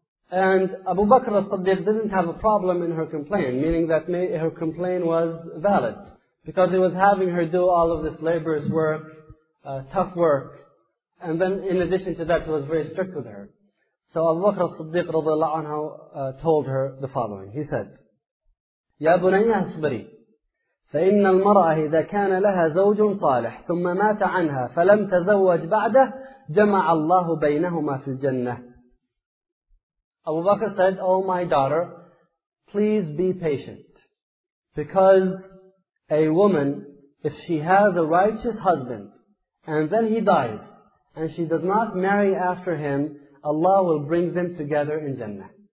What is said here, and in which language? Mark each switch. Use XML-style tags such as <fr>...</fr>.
<en>And Abu Bakr as-Siddiq didn't have a problem in her complaint, meaning that her complaint was valid. Because he was having her do all of this laborious work, tough work. And then in addition to that, he was very strict with her. So Abu Bakr as-Siddiq radiallahu anhu told her the following. He said,</en> <ar>Ya bunayya asbari. فإن المرأة إذا كان لها زوج صالح ثم مات عنها فلم تزوج بعده جمع الله بينهما في الجنة.</ar> <en>Abu Bakr said, O my daughter, please be patient. Because a woman, if she has a righteous husband and then he dies and she does not marry after him, Allah will bring them together in Jannah.</en>